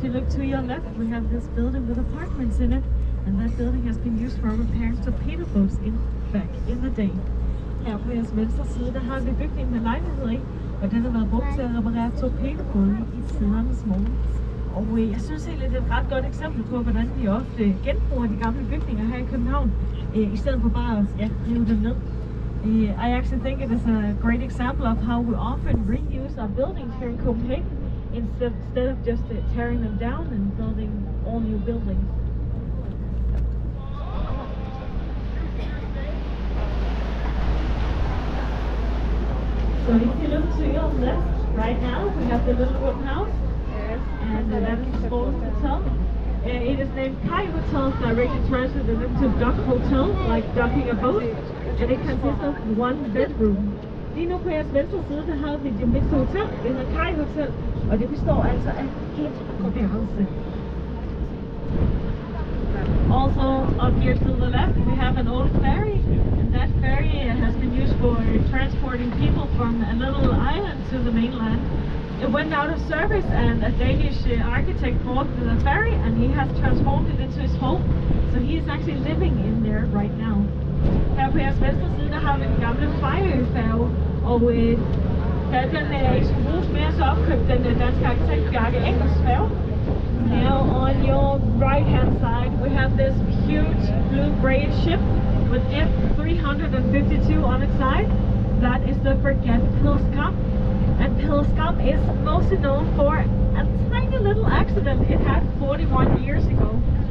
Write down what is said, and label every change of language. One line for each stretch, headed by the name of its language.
English: To your left, we have this building with apartments in it, and that building has been used for repairing torpedo boats back in the day.
Danish: Her på jeres venstre side, der har vi bygningen med lejligheder i, og den har været brugt til at reparere torpedobåde i tidernes morgen. Og jeg synes egentlig, det er et ret godt eksempel på, hvordan vi ofte genbruger de gamle bygninger her i København, i stedet for bare at rive dem ned.
English: I actually think it is a great example of how we often reuse our buildings here in Copenhagen, instead of just tearing them down and building all new buildings. So if you look to your left, right now we have the little wooden house. And that is called Hotel. It is named Kai Hotel, directly translated into Duck Hotel, like ducking a boat. And it consists of one bedroom.
Danish: Lige nu på jeres venstre side, der har vi det midt hotel, det hedder Kai Hotel, og det består altså af et værelse.
English: Also, up here to the left, we have an old ferry, and that ferry has been used for transporting people from a little island to the mainland. It went out of service, and a Danish architect bought the ferry, and he has transformed it into his home, so he is actually living in there right now.
Danish: Her på jeres venstre side, der har vi den gamle fejøfærge, og da den skulle bruges mere, så opkøbte den danske arkitekt Bjarke Engels færge.
English: Now on your right hand side, we have this huge blue-gray ship with F352 on its side. That is the frigate Pilskamp. And Pilskamp is mostly known for a tiny little accident it had 41 years ago.